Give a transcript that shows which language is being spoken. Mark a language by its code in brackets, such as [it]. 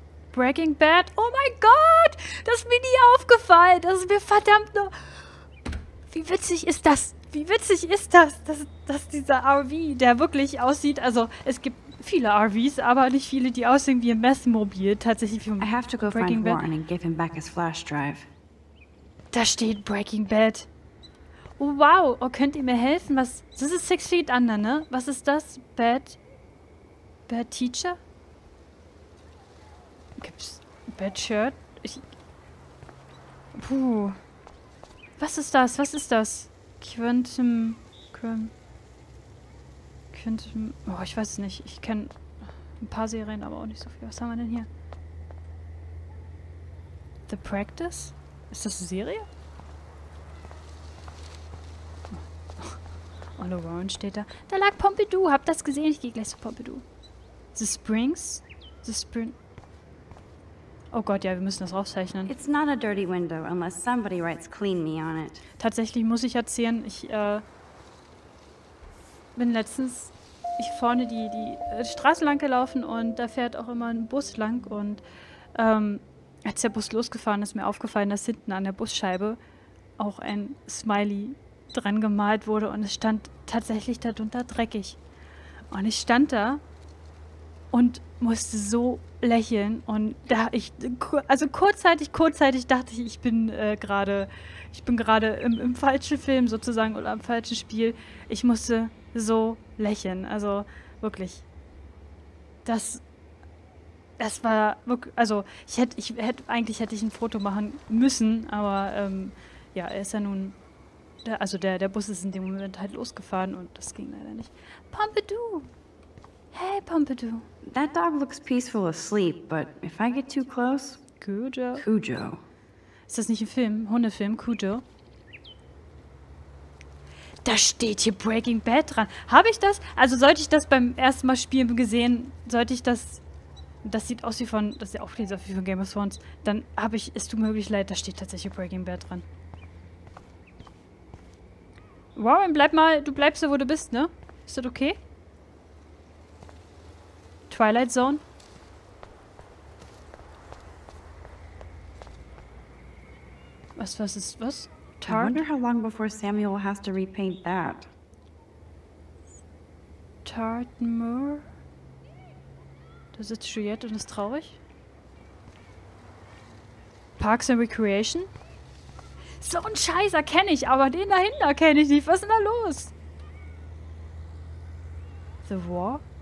[de] Breaking Bad. Oh mein Gott! Das ist mir nie aufgefallen. Das ist mir verdammt noch... Wie witzig ist das? Wie witzig ist das? Dass dieser RV, der wirklich aussieht... Also, es gibt viele RVs, aber nicht viele, die aussehen wie ein Messmobil. Tatsächlich wie ein [en] Breaking Bad. I have to go find Warren and give him back his flash drive. [de] Da steht Breaking Bad. Oh, wow. Oh, könnt ihr mir helfen? Was? Das ist Six Feet Under, ne? Was ist das? Bad Teacher? Gibt's Bad Shirt? Puh. Was ist das? Was ist das? Oh, ich weiß es nicht. Ich kenne ein paar Serien, aber auch nicht so viel. Was haben wir denn hier? The Practice? Ist das eine Serie? All Around steht da. Da lag Pompidou. Habt das gesehen? Ich gehe gleich zu Pompidou. The Springs? Oh Gott, ja, wir müssen das rauszeichnen. [en] It's not a dirty window unless somebody writes clean me on it. [de] Tatsächlich muss ich erzählen, ich bin letztens vorne die Straße lang gelaufen und da fährt auch immer ein Bus lang und als der Bus losgefahren ist, mir aufgefallen, dass hinten an der Busscheibe auch ein Smiley dran gemalt wurde und es stand tatsächlich darunter dreckig. Und ich stand da und musste so lächeln und da ich, also kurzzeitig dachte ich, ich bin gerade im falschen Film sozusagen oder im falschen Spiel. Ich musste so lächeln, also wirklich. Das war wirklich, also eigentlich hätte ich ein Foto machen müssen, aber ja, er ist ja nun, also der Bus ist in dem Moment halt losgefahren und das ging leider nicht. Pompidou! Hey, Pompidou. [en] That dog looks peaceful asleep, but if I get too close... [de] Cujo. Ist das nicht ein Film? Hundefilm? Cujo? Da steht hier Breaking Bad dran. Habe ich das? Also sollte ich das beim ersten Mal spielen gesehen, sollte ich das... Das sieht aus wie von... Das ist ja auch wie von Game of Thrones. Dann habe ich... Es tut mir wirklich leid, da steht tatsächlich Breaking Bad dran. Warren, bleib mal... Du bleibst da, wo du bist, ne? Ist das okay? Twilight Zone. Was? [en] Tarn? I wonder how long before Samuel has to repaint that. Tartmoor. [de] Da sitzt Juliette und ist traurig. Parks and Recreation. So ein Scheiß erkenne ich, aber den dahinter kenne ich nicht. Was ist denn da los? [en] The War.